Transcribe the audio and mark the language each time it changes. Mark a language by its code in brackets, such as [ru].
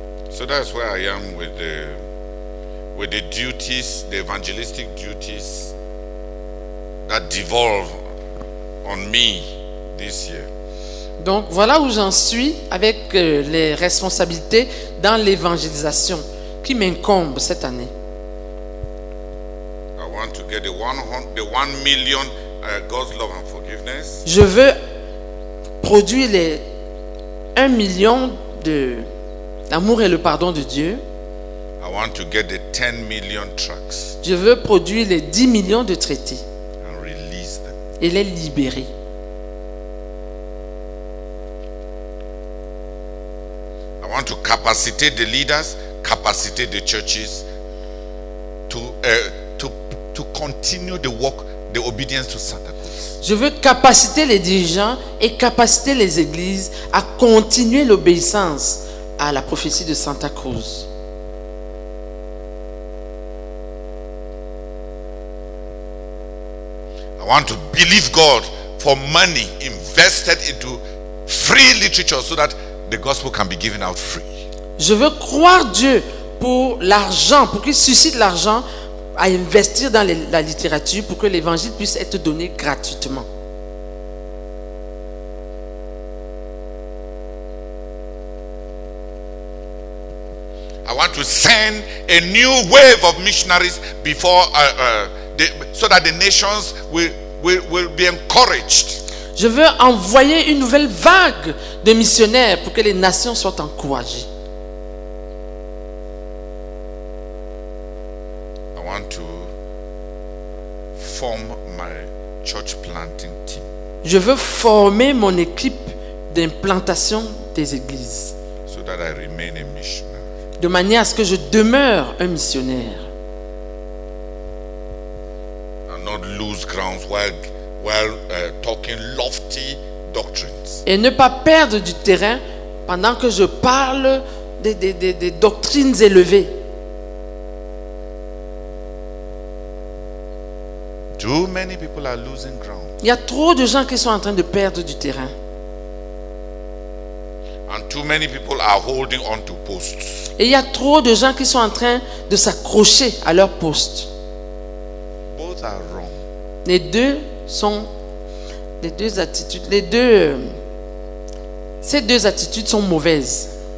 [en] So that's where I am with the duties, the evangelistic duties that devolve on me this year. [fr] Donc voilà où j'en suis avec les responsabilités dans l'évangélisation qui m'incombe cette année. [en] I want to get the one million God's love and forgiveness. [fr] Je veux produire les 1 million de l'amour et le pardon de Dieu. [en] I want to get the 10 million tracts. [fr] Je veux produire les 10 millions de traités. [en] And release them. [fr] Et les libérer. [en] I want to capacitate the leaders, capacitate the churches to continue the work, the obedience to Santa Cruz. [fr] Je veux capaciter les dirigeants et capaciter les églises à continuer l'obéissance à la prophétie de Santa Cruz. [en] I want to believe God for money invested into free literature so that the gospel can be given out free. [fr] Je veux croire Dieu pour l'argent, pour qu'il suscite l'argent à investir dans la littérature pour que l'évangile puisse être donné gratuitement. [en] I want to send a new wave of missionaries before so that the nations will be encouraged. [fr] Je veux envoyer une nouvelle vague de missionnaires pour que les nations soient encouragées. [en] I want to form my church planting team. [fr] Je veux former mon équipe d'implantation des églises. [en] So that I remain a missionary. [fr] De manière à ce que je demeure un missionnaire. [en] And not lose grounds while talking lofty doctrines. [fr] Et ne pas perdre du terrain pendant que je parle des doctrines élevées. [en] Too many people are losing ground. [fr] Il y a trop de gens qui sont en train de perdre du terrain. [en] And too many people are holding on to posts. [fr] Et il y a trop de gens qui sont en train de s'accrocher à leur poste. [en] Both are wrong. [fr] Les deux sont les deux attitudes, les deux ces deux attitudes sont mauvaises.